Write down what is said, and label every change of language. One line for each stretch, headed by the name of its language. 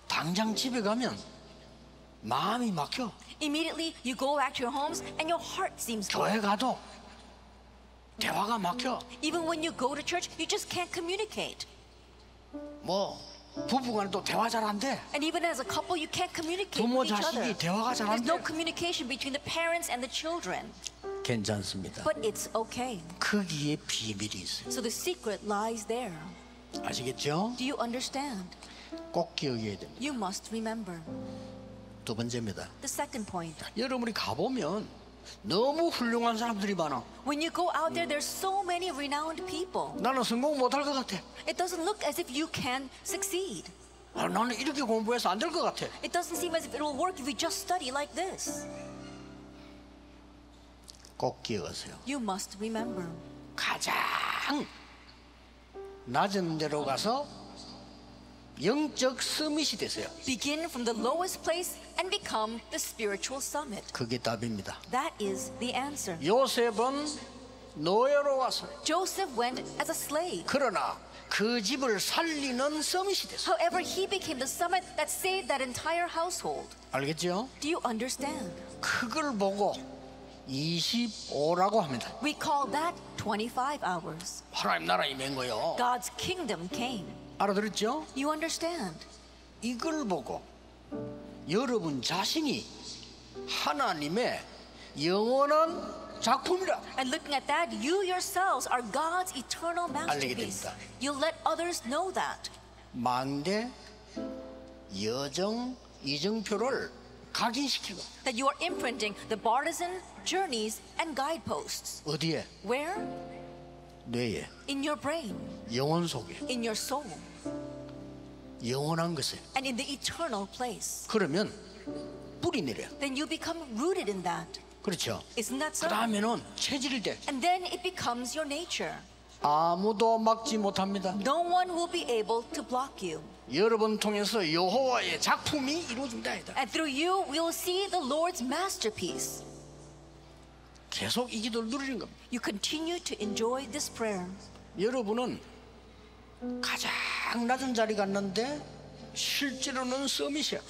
Korean: 당장 집에 가면 마음이 막혀.
English: Immediately you go back to your homes and your heart seems blocked.
Korean: 교회 가도 대화가 막혀.
English: Even when you go to church, you just can't communicate.
Korean: 뭐 부부간에도 대화 잘 안 돼.
English: And even as a couple, you can't communicate.
Korean: 부모
English: with each
Korean: 자식이
English: other.
Korean: 대화가 잘 안 돼.
English: There's no communication between the parents and the children.
Korean: 괜찮습니다.
English: But it's okay.
Korean: 거기에 비밀이 있어요.
English: So the secret lies there.
Korean: 아시겠죠?
English: Do you understand?
Korean: 꼭 기억해야 됩니다.
English: You must remember.
Korean: 두 번째입니다.
English: The second point.
Korean: 여러분이 가보면 너무 훌륭한 사람들이 많아.
English: When you go out there, there's so many renowned people.
Korean: 나는 성공 못할 것 같아.
English: It doesn't look as if you can succeed.
Korean: 아, 나는 이렇게 공부해서 안 될 것 같아.
English: It doesn't seem as if it will work if we just study like this.
Korean: 꼭 기억하세요.
English: You must remember.
Korean: 가장 낮은 데로 가서 영적 서밋이 되세요.
English: Begin from the lowest place and become the spiritual summit.
Korean: 그게 답입니다.
English: That is the answer.
Korean: 요셉은 노예로 와서.
English: Joseph went as a slave.
Korean: 그러나 그 집을 살리는 서밋이 됐어.
English: However, he became the summit that saved that entire household.
Korean: 알겠죠?
English: Do you understand?
Korean: 그걸 보고 25라고 합니다.
English: We call that 25 hours.
Korean: 하나님 나라 임한 거요.
English: God's kingdom came.
Korean: 알아들었죠?
English: You understand?
Korean: 이걸 보고 여러분 자신이 하나님의 영원한 작품이라.
English: And looking at that, you yourselves are God's eternal masterpiece. You'll let others know that.
Korean: 망대 여정 이정표를 각인시키고.
English: That you are imprinting the bartizan journeys and guideposts.
Korean: 어디에?
English: Where?
Korean: 뇌에.
English: In your brain.
Korean: 영혼 속에.
English: In your soul.
Korean: 영원한 것에.
English: And in the eternal place.
Korean: 그러면 뿌리 내려.
English: Then you become rooted in that.
Korean: 그렇죠.
English: Isn't that so?
Korean: 그다음에는 체질이 돼.
English: And then it becomes your nature.
Korean: 아무도 막지 못합니다.
English: No one will be able to block you.
Korean: 여러분 통해서 여호와의 작품이 이루어진다.
English: And through you, we will see the Lord's masterpiece.
Korean: 계속 이 기도를 누리는 겁니다.
English: You continue to enjoy this prayer.
Korean: 여러분은 가장 낮은 자리 갔는데 실제로는 서밋이야.